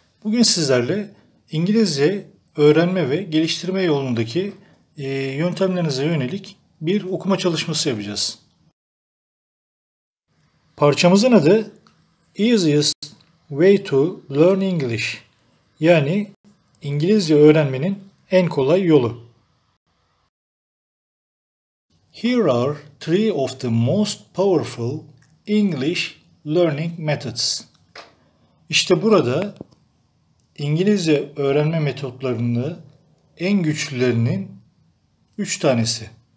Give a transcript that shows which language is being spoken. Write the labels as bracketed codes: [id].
[tr] Bugün sizlerle İngilizce öğrenme ve geliştirme yolundaki yöntemlerinize yönelik bir okuma çalışması yapacağız. Parçamızın adı [en] Easiest Way to Learn English, [tr] yani İngilizce öğrenmenin en kolay yolu. [en] Here are three of the most powerful English learning methods. [tr] İşte burada İngilizce öğrenme metotlarında en güçlülerinin üç tanesi.